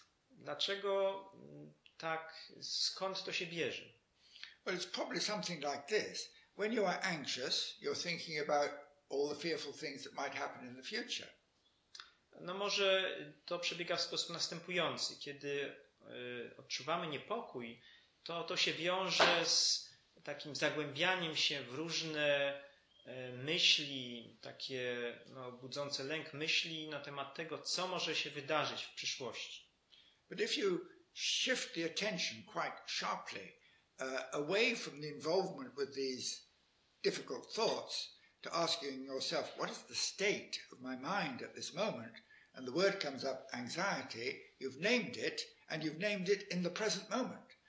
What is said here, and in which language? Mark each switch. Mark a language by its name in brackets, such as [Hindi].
[Polish] Dlaczego tak, skąd to się bierze? [English] Well, it's probably something like this. When you are anxious, you're thinking about all the fearful things that might happen in the future. [Polish] No może to przebiega w sposób następujący. Kiedy odczuwamy niepokój, to się wiąże z takim zagłębianiem się w różne myśli, takie no, budzące lęk myśli na temat tego, co może się wydarzyć w przyszłości. [English] But if you shift the attention quite sharply away from the involvement with these difficult thoughts to asking yourself, what is the state of my mind at this moment? And the word comes up, anxiety, you've named it, and you've named it in the present moment.